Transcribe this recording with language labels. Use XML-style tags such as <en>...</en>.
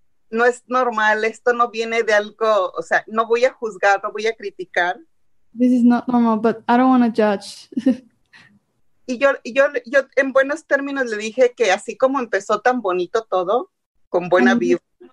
<es>No es normal, esto no viene de algo, o sea, no voy a juzgar, no voy a criticar.</es> <en>This is not normal, but I don't want to judge.</en> <es>Y yo en buenos términos le dije que así como empezó tan bonito todo, con buena vibra.</es>